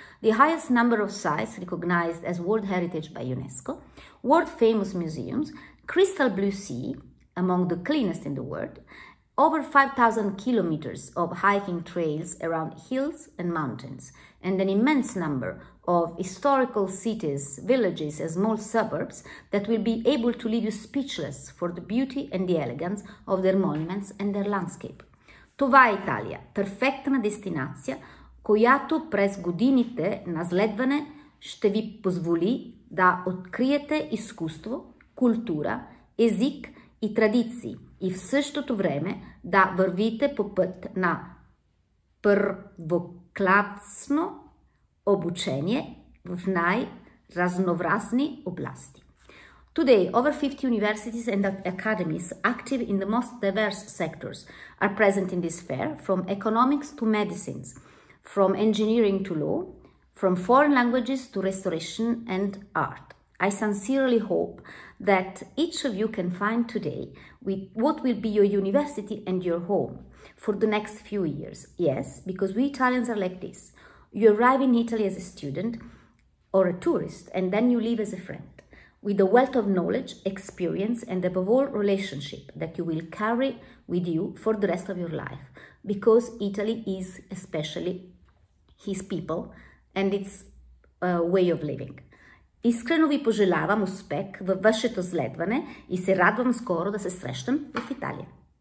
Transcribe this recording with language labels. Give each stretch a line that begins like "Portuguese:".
English: The highest number of sites recognized as World Heritage by UNESCO, world famous museums, crystal blue sea, among the cleanest in the world, over 5,000 kilometers of hiking trails around hills and mountains, and an immense number of historical cities, villages, and small suburbs that will be able to leave you speechless for the beauty and the elegance of their monuments and their landscape.
Bulgarian: Това е Италия, перфектна дестинация, която през годините на следване ще ви позволи да откриете изкуство, култура, език и традиции и в същото време да вървите по път на първокласно обучение в най-разновразни области.
English: Today, over 50 universities and academies active in the most diverse sectors are present in this fair, from economics to medicines, from engineering to law, from foreign languages to restoration and art. I sincerely hope that each of you can find today with what will be your university and your home for the next few years. Yes, because we Italians are like this. You arrive in Italy as a student or a tourist, and then you leave as a friend, with a wealth of knowledge, experience, and above all, relationship that you will carry with you for the rest of your life, because Italy is especially his people and its way of living.
Bulgarian: Искрено ви пожелавам успех във вашето следване и се радвам скоро да се срещам в Италия.